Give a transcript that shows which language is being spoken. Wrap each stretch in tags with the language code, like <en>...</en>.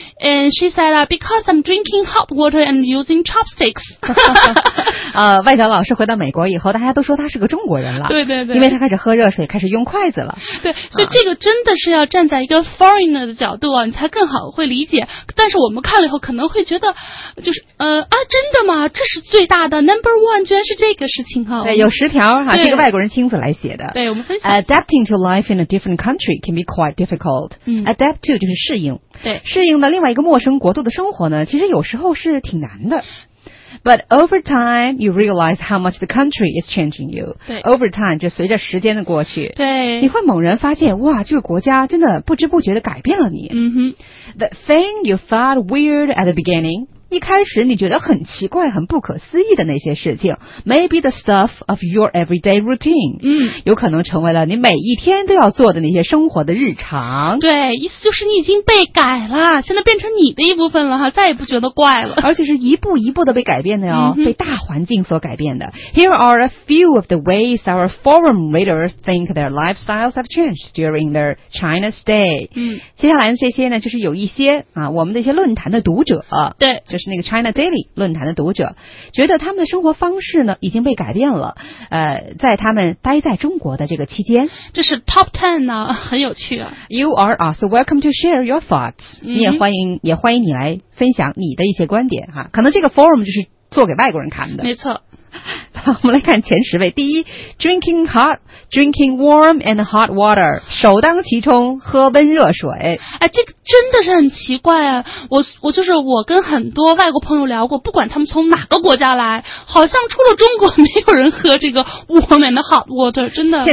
<en>And she said, because I'm drinking hot water and using chopsticks.</en> <zh>外教老师回到美国以后，大家都说他是个中国人了。对对对。因为他开始喝热水，开始用筷子了。对，所以这个真的是要站在一个 foreigner 的角度啊，你才更好会理解。但是我们看了以后可能会觉得，就是真的吗？这是最大的</zh> <en>number one,</en> <zh>居然是这个事情哈。对，有十条哈，这个外国人亲自来写的。对，我们分享。</zh> <en>Adapting to life in a different country can be quite difficult.</en> <zh>Adapt to 就是适应。对。适应了另外一个陌生国度的生活呢，其实有时候是挺难的。</zh> <en>But over time, you realize how much the country is changing you.</en> <zh>对。 Over time, 就随着时间的过去。对。你会猛然发现，哇，这个国家真的不知不觉地改变了你。嗯哼。</zh> <en>The thing you thought weird at the beginning,</en> <zh>一开始你觉得很奇怪很不可思议的那些事情</zh> <en>maybe the stuff of your everyday routine 嗯，</en> <zh>有可能成为了你每一天都要做的那些生活的日常对意思就是你已经被改了现在变成你的一部分了哈，再也不觉得怪了而且是一步一步的被改变的哟、嗯、被大环境所改变的</zh> <en>Here are a few of the ways our forum readers think their lifestyles have changed during their China stay 嗯，</en> <zh>接下来的这些呢就是有一些啊，我们的一些论坛的读者对就是那个 China Daily 论坛的读者觉得他们的生活方式呢已经被改变了在他们待在中国的这个期间这是 Top 10呢很有趣啊</zh> <en>You are also welcome to share your thoughts、嗯、</en> <zh>你也欢迎你来分享你的一些观点哈可能这个 forum 就是做给外国人看的没错我们来看前十位第一</zh> <en>drinking warm and hot water</en> <zh>首当其冲喝温热水哎，这个真的是很奇怪、啊、我就是我跟很多外国朋友聊过不管他们从哪个国家来好像除了中国没有人喝这个</zh> <en>warm and hot water</en> <zh>真的</zh>